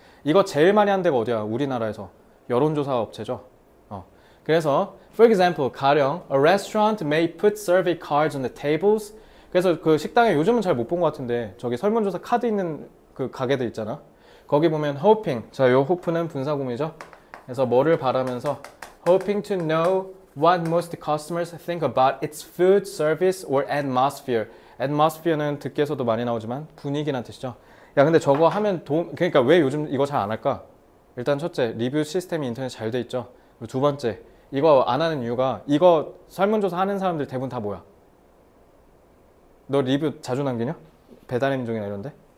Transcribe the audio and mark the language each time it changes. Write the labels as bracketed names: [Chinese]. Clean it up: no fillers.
[Korean] 이거 제일 많이 한 데가 어디야? 우리나라에서 여론조사 업체죠. 그래서 [English] for example, [Korean] 가령 [English] a restaurant may put survey cards on the tables. [Korean] 그래서 그 식당에 요즘은 잘못본것 같은데 저기 설문조사 카드 있는 그 가게들 있잖아. 거기 보면 hoping, 자, 요 hope는 분사구문이죠. 그래서 뭐를 바라면서 [English] hoping to know what most customers think about its food service or atmosphere. [Korean] atmosphere는 듣기에서도 많이 나오지만 분위기란 뜻이죠. 야, 근데 저거 하면 그러니까 왜 요즘 이거 잘안 할까? 일단 첫째, 리뷰 시스템이 인터넷 잘돼 있죠. 그리고 두 번째, 이거 안 하는 이유가, 이거 설문조사 하는 사람들 대부분 다 뭐야? 너 리뷰 자주 남기냐? 배달의 민족이나 이런데?